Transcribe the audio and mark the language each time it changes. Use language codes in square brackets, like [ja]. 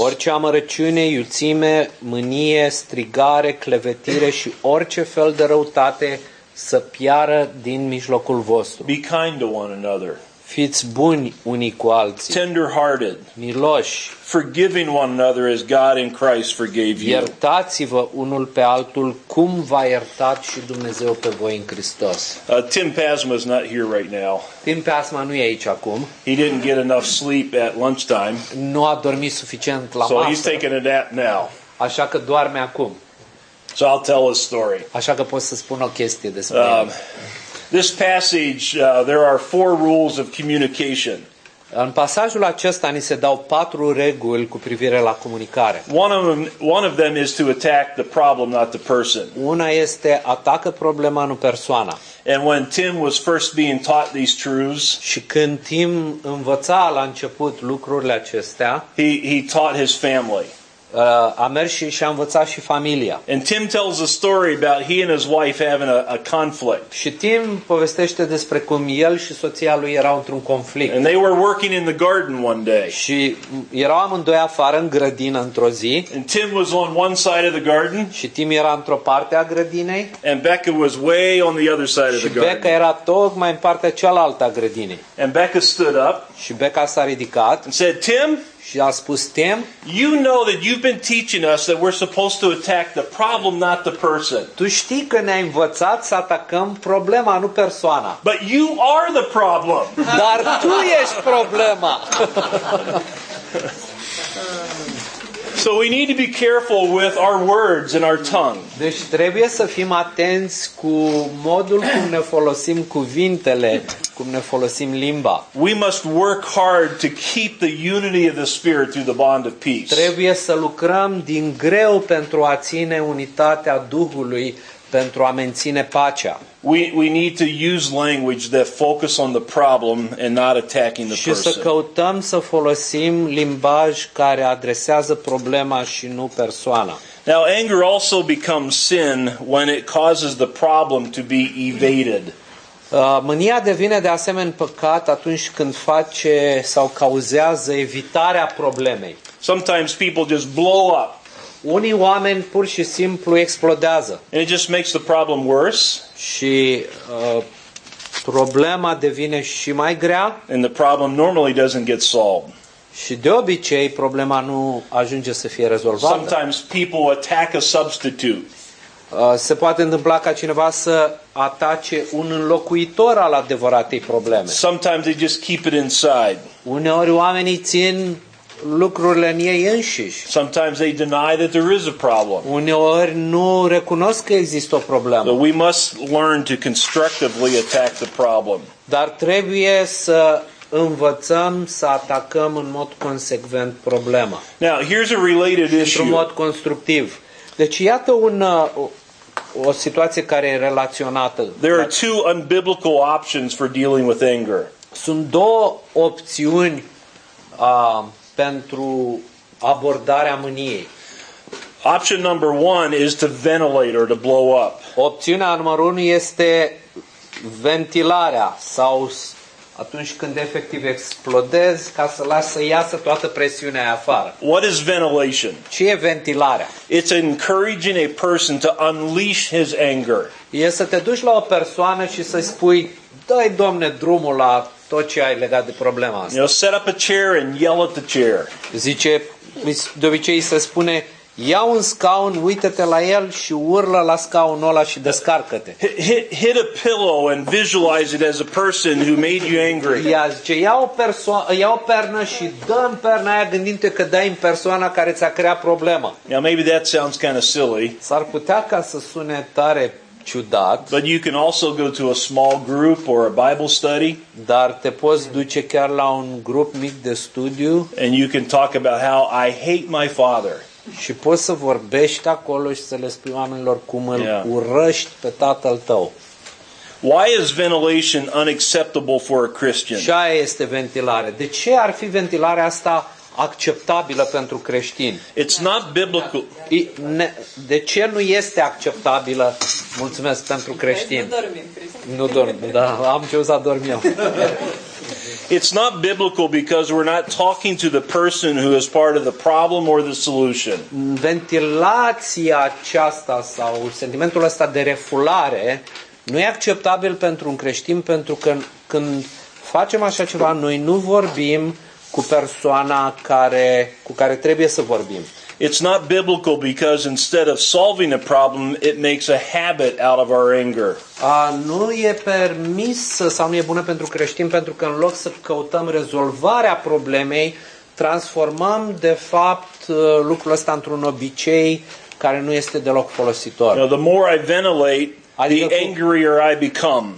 [ro] Orice amărăciune, iuțime, mânie, strigare, clevetire și orice fel de răutate să piară din mijlocul vostru. [en] Be kind to one another. [ro] Fiți buni unii cu alții. [en] Tender-hearted. [ro] Miloși. [en] Forgiving one another as God in Christ forgave you. [ro] Iertați-vă unul pe altul cum v-a iertat și Dumnezeu pe voi în Hristos. [en] Tim Pasma is not here right now. [ro] Tim Pasma nu e aici acum. [en] He didn't get enough sleep at lunchtime. [ro] Nu a dormit suficient la masă. [en] So he's taking a nap now. [ro] Așa că doarme acum. [en] So I'll tell a story. [ro] Așa că pot să spun o chestie despre [en] this passage, there are four rules of communication. [ro] În pasajul acesta ni se dau patru reguli cu privire la comunicare. [en] One of them is to attack the problem, not the person. [ro] Una este atacă problema, nu persoana. [en] And when Tim was first being taught these truths, [ro] și când Tim învăța la început lucrurile acestea, [en] he taught his family. [ro] A mers și a învățat și familia. [en] And Tim tells a story about he and his wife having a conflict. [ro] Și Tim povestește despre cum el și soția lui erau într-un conflict. [en] And they were working in the garden one day. [ro] Și erau amândoi afară în grădină într-o zi. [en] And Tim was on one side of the garden. [ro] Și Tim era într-o parte a grădinei. [en] And Becca was way on the other side of the garden. [ro] Și Becca era tocmai în partea cealaltă a grădinei. [en] And Becca stood up. [ro] Și Becca s-a ridicat. [en] And said, Tim, [ro] și a spus, Tim, [en] you know that you've been teaching us that we're supposed to attack the problem, not the person. [ro] Tu știi că ne-ai învățat să atacăm problema, nu persoana. [en] But you are the problem. [ro] Dar tu ești problema. [en] So we need to be careful with our words and our tongue. [ro] Deci trebuie să fim atenți cu modul cum ne folosim cuvintele, cum ne folosim limba. [en] We must work hard to keep the unity of the Spirit through the bond of peace. [ro] Trebuie să lucrăm din greu pentru a ține unitatea Duhului, pentru a menține pacea. [en] We need to use language that focus on the problem and not attacking the person. [ro] Și să căutăm să folosim limbaj care adresează problema și nu persoana. [en] Now anger also becomes sin when it causes the problem to be evaded. [ro] Mânia devine de asemenea păcat atunci când face sau cauzează evitarea problemei. [en] Sometimes people just blow up. [ro] Unii oameni pur și simplu explodează. [en] And it just makes the problem worse. [ro] Și problema devine și mai grea. [en] And the problem normally doesn't get solved. [ro] Și de obicei problema nu ajunge să fie rezolvată. [en] Sometimes people attack a substitute. [ro] Se poate întâmpla ca cineva să atace un înlocuitor al adevăratei probleme. [en] Sometimes they just keep it inside. [ro] Uneori oamenii țin lucrurile în ei înșiși. [en] Sometimes they deny that there is a problem. [ro] Uneori nu recunosc că există o problemă. [en] So we must learn to constructively attack the problem. [ro] Dar trebuie să învățăm să atacăm în mod consecvent problema. [en] Now, here's a related issue. [ro] Într-un mod constructiv. Deci iată o situație care e relaționată. [en] There are two unbiblical options for dealing with anger. [ro] Sunt două opțiuni pentru abordarea mâniei. [en] Option number one is to ventilate or to blow up. [ro] Opțiunea numărul 1 este ventilarea sau atunci când efectiv explodezi ca să lași să iasă toată presiunea aia afară. [en] What is ventilation? [ro] Ce e ventilarea? [en] It's encouraging a person to unleash his anger. [ro] E să te duci la o persoană și să-i spui, dă-i Doamne drumul la tot ce ai legat de problema asta. [en] You know, set up a chair and yell at the chair. [ro] Zice, de obicei se spune, ia un scaun, uită-te la el și urlă la scaunul ăla și descarcă-te. [en] Hit a pillow and visualize it as a person who made you angry. [ro] Ia, zice, ia o pernă și dă-mi perna aia gândindu-te că dai în persoana care ți-a creat problema. [en] Now maybe that sounds kind of silly. [ro] S-ar putea ca să sune tare ciudat. [en] But you can also go to a small group or a Bible study. [ro] Dar te poți duce chiar la un grup mic de studiu. [en] And you can talk about how I hate my father. [ro] Și poți să vorbești acolo și să le spui oamenilor cum îl urăști pe tatăl tău. [en] Why is ventilation unacceptable for a Christian? [ro] Și aia este ventilare. De ce ar fi ventilarea asta acceptabilă pentru creștini? [en] It's not biblical. [ro] De ce nu este acceptabilă? Mulțumesc pentru creștini. Nu dormim, Nu dorm, dar am ce să dorm eu. [en] It's not biblical because we're not talking to the person who is part of the problem or the solution. [ro] Ventilația aceasta sau sentimentul ăsta de refulare nu e acceptabil pentru un creștin pentru că când facem așa ceva noi nu vorbim cu persoana cu care trebuie să vorbim. [en] It's not biblical because instead of solving a problem, it makes a habit out of our anger. [ro] Nu e permis sau nu e bună pentru creștini pentru că în loc să căutăm rezolvarea problemei, transformăm de fapt lucrul ăsta într-un obicei care nu este deloc folositor. [en] Now, the more I ventilate, [ro] adică [en] the angrier I become.